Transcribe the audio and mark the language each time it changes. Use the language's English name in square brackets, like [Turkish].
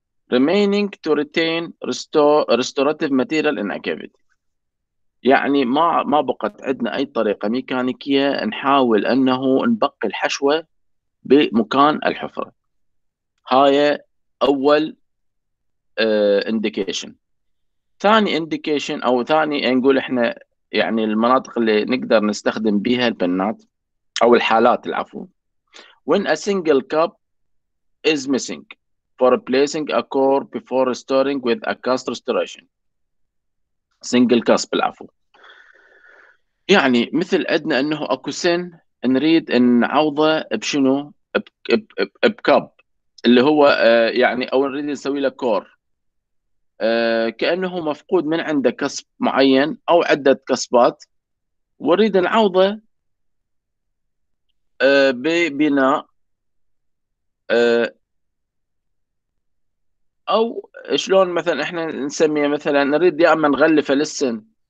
[English] remaining to retain restorative material in a cavity، [Arabic] يعني ما بقت عندنا أي طريقة ميكانيكية نحاول أنه نبقي الحشوة بمكان الحفرة. هاي أول indication. ثاني indication أو ثاني نقول إحنا يعني المناطق اللي نقدر نستخدم بها البنات أو الحالات العفو. [English] when a single cup is missing for replacing a core before restoring with a cast restoration. single cusp [Arabic] العفو. يعني مثل عندنا انه اكو سن نريد نعوضه بشنو؟ بكب اللي هو يعني او نريد نسوي له كور. كانه مفقود من عنده كسب معين او عده كسبات ونريد نعوضه ببناء او شلون مثلا احنا نسميه، مثلا نريد يا اما نغلفه للسن